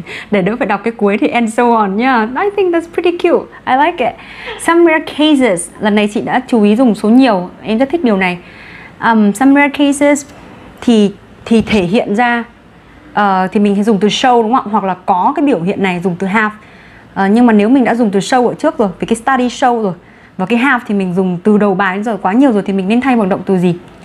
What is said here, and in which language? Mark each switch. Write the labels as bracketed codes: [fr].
[vi] Để đỡ phải đọc cái cuối thì [en] and so on [vi] nha. [en] I think that's pretty cute, I like it. Some rare cases, [vi] lần này chị đã chú ý dùng số nhiều, em rất thích điều này. [en] Some rare cases [vi] thì thể hiện ra thì mình hay dùng từ show đúng không ạ, hoặc là có cái biểu hiện này dùng từ have. Nhưng mà nếu mình đã dùng từ show ở trước rồi, vì cái study show rồi, và cái have thì mình dùng từ đầu bài đến giờ quá nhiều rồi, thì mình nên thay bằng động từ gì?